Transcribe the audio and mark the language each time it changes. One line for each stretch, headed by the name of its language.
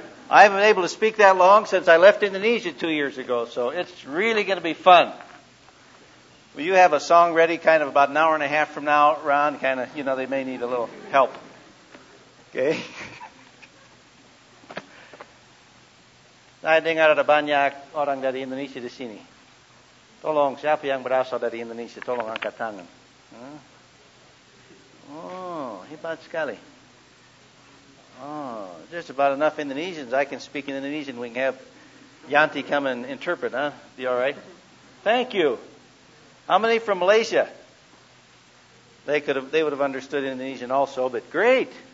English: I haven't been able to speak that long since I left Indonesia 2 years ago, so it's really going to be fun. Will you have a song ready kind of about an hour and a half from now, Ron? Kind of, you know, they may need a little help. Okay?
Indonesian: Saya dengar ada banyak orang dari Indonesia di sini. Tolong, siapa yang berasal dari Indonesia, tolong angkat tangan. Oh, hebat sekali.
English: Oh, just about enough Indonesians. I can speak in Indonesian. We can have Yanti come and interpret, huh? Be all right. Thank you. How many from Malaysia? They would have understood Indonesian also, but great.